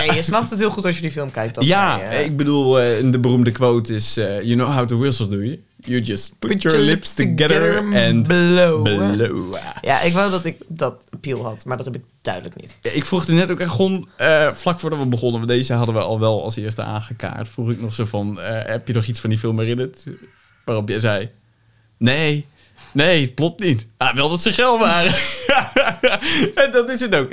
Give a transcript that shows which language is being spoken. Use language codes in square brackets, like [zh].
[nl] Nee, je snapt het heel goed als je die film kijkt. Ja, ik bedoel, de beroemde quote is... [en] you know how to whistle, do you? You just put your lips together and blow. [nl] Ja, ik wou dat ik dat appeal had, maar dat heb ik duidelijk niet. Ja, ik vroeg er net ook echt gewoon, vlak voordat we begonnen... maar deze hadden we al wel als eerste aangekaart... vroeg ik nog zo van, heb je nog iets van die film herinnerd? Waarop jij zei, nee, het plot niet. Ah, wel dat ze geil waren. En dat is het ook.